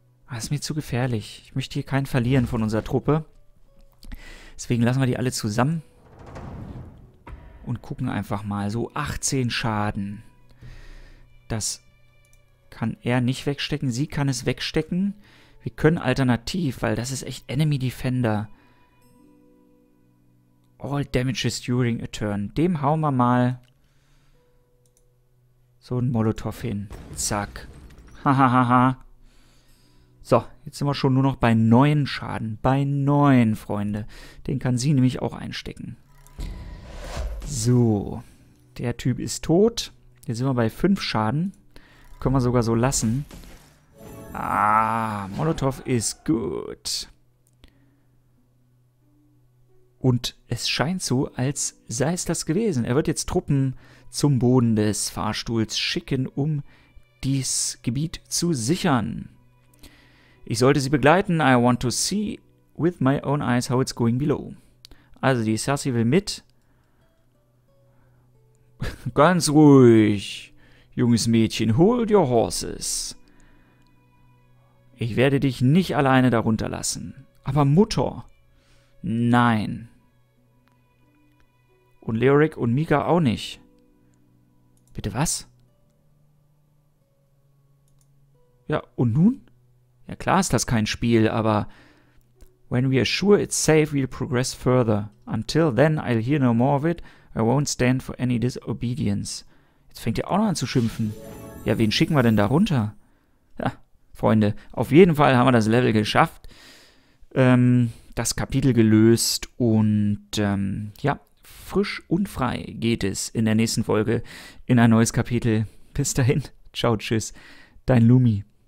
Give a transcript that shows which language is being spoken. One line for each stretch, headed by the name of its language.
German: Das ist mir zu gefährlich. Ich möchte hier keinen verlieren von unserer Truppe. Deswegen lassen wir die alle zusammen. Und gucken einfach mal. So 18 Schaden. Das kann er nicht wegstecken. Sie kann es wegstecken. Wir können alternativ, weil das ist echt Enemy Defender.
English: All damages during a turn.
German: Dem hauen wir mal so einen Molotow hin. Zack. Hahaha. So, jetzt sind wir schon nur noch bei 9 Schaden. Bei 9, Freunde. Den kann sie nämlich auch einstecken. So. Der Typ ist tot. Jetzt sind wir bei 5 Schaden. Können wir sogar so lassen. Ah, Molotow ist gut. Und es scheint so, als sei es das gewesen. Er wird jetzt Truppen zum Boden des Fahrstuhls schicken, um dies Gebiet zu sichern. Ich sollte sie begleiten.
English: I want to see with my own eyes how it's going below.
German: Also die Cersei will mit. Ganz ruhig, junges Mädchen.
English: Hold your horses.
German: Ich werde dich nicht alleine darunter lassen. Aber Mutter, nein. Und Leoric und Mika auch nicht. Bitte was? Ja, und nun? Ja klar ist das kein Spiel, aber...
English: When we are sure it's safe, we'll progress further. Until then, I'll hear no more of it. I won't stand for any disobedience.
German: Jetzt fängt ihr auch noch an zu schimpfen. Ja, wen schicken wir denn da runter? Ja, Freunde, auf jeden Fall haben wir das Level geschafft. Das Kapitel gelöst und ja... Frisch und frei geht es in der nächsten Folge in ein neues Kapitel. Bis dahin, ciao, tschüss, dein Lumi.